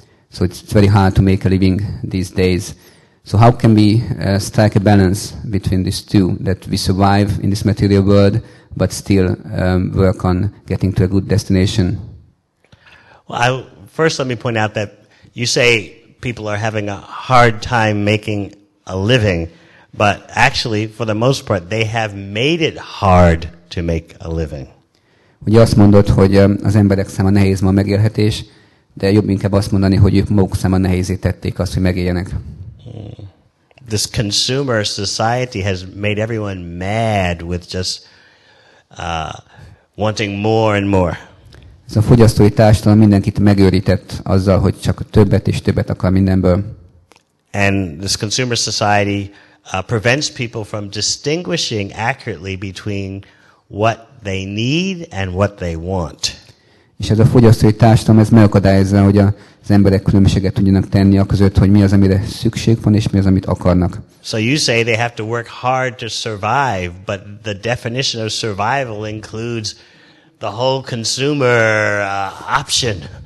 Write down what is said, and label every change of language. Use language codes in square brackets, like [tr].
[en] So it's very hard to make a living these days. So how can we strike a balance between these two, that we survive in this material world but still work on getting to a good destination? Well, first let me point out that you say people are having a hard time making a living, but actually, for the most part, they have made it hard to make a living. [hu] Ugye azt mondod, hogy az emberek száma nehéz ma megélhetés, de jobb inkább azt mondani, hogy ők maguk száma nehézé tették azt, hogy megéljenek. [en] This consumer society has made everyone mad with just wanting more and more. [hu] Ez a fogyasztói társadalom mindenkit megőrített azzal, hogy csak többet és többet akar mindenből. [en] And this consumer society prevents people from distinguishing accurately between what they need and what they want. [hu] És ez a fogyasztói társadalom ez megakadályozza, hogy az emberek különbséget tudjanak tenni a között, hogy mi az, amire szükség van, és mi az, amit akarnak. [en] So you say they have to work hard to survive, but the definition of survival includes the whole consumer option.